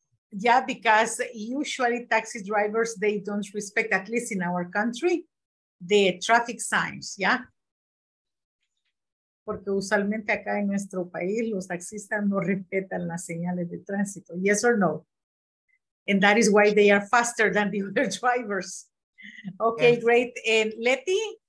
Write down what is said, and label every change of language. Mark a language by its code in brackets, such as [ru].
[en] Yeah, because usually taxi drivers, they don't respect, at least in our country, the traffic signs, yeah? [es] Porque usualmente acá en nuestro país, los taxistas no respetan las señales de tránsito. [en] Yes or no? And that is why they are faster than the other drivers. Okay, yes. Great. And Leti,